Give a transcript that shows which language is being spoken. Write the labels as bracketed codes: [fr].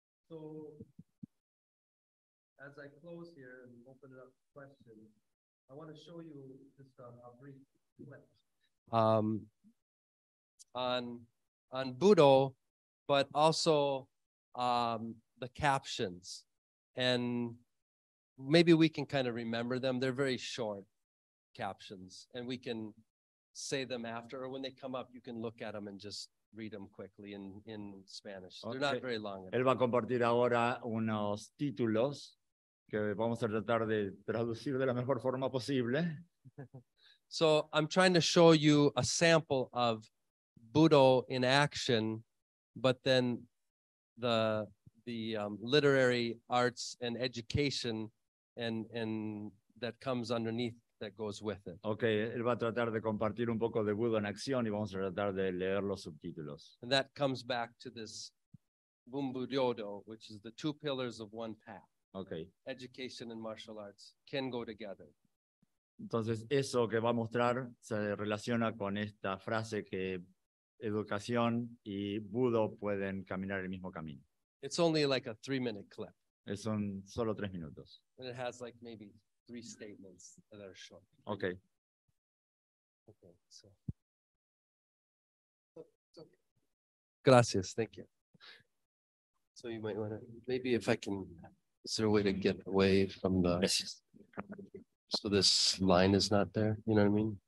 [en] So, as I close here and open it up to questions, I want to show you just a brief clip. On Budo, but also the captions. And maybe we can kind of remember them. They're very short captions. And we can say them after, or when they come up, you can look at them and just read them quickly in Spanish. Okay. They're not very long. [es] Él va a compartir ahora unos títulos que vamos a tratar de traducir de la mejor forma posible. [en] So I'm trying to show you a sample of Budo in action, but then the literary arts and education and that comes underneath, that goes with it. [es] Okay, él va a tratar de compartir un poco de Budo en acción y vamos a tratar de leer los subtítulos. [en] And that comes back to this Bumbudyodo, which is the two pillars of one path. Okay. Education and martial arts can go together. [es] Entonces, eso que va a mostrar se relaciona con esta frase que educación y Budo pueden caminar el mismo camino. [en] It's only like a 3-minute clip. [es] Es un solo 3 minutos. [en] And it has like maybe three statements that are short. Okay. Okay, so. Okay. [es] Gracias, [en] thank you. So you might want to, maybe if I can, is there a way to get away from the, so this line is not there, you know what I mean?